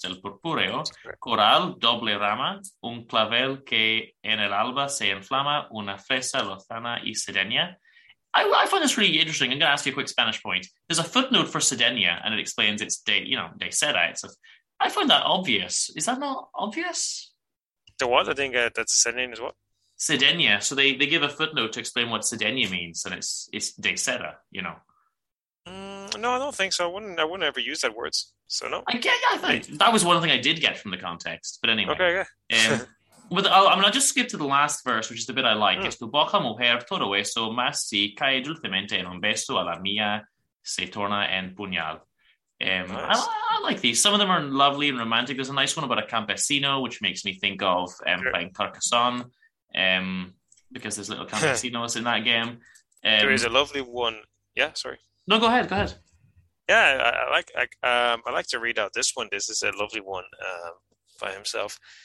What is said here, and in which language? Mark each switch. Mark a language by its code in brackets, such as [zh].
[es] Del purpureo, coral, doble rama, un clavel que en el alba se inflama, una fresa lozana y sedeña. [en] I find this really interesting. I'm going to ask you a quick Spanish point. There's a footnote for sedeña, and it explains its date, you know, [es] de seda. [en] I find that obvious. Is that not obvious? The what? I think that's sedeña as what? [es] Sedeña. [en] So they give a footnote to explain what sedeña means, and it's [es] de seda, [en] you know. No, I don't think so. I wouldn't ever use that word. So no. That was one thing I did get from the context. But anyway. Okay. Yeah. I'm gonna just skip to the last verse, which is the bit I like. [es] Es tu boca, mujer, todo eso, mas si cae dulcemente en un beso a la mía, se torna en puñal. [en] Nice. I like these. Some of them are lovely and romantic. There's a nice one about a campesino, which makes me think of playing Carcassonne, because there's little campesinos in that game. There is a lovely one. Yeah. Sorry. No, go ahead. Yeah, I like to read out this one. This is a lovely one by himself.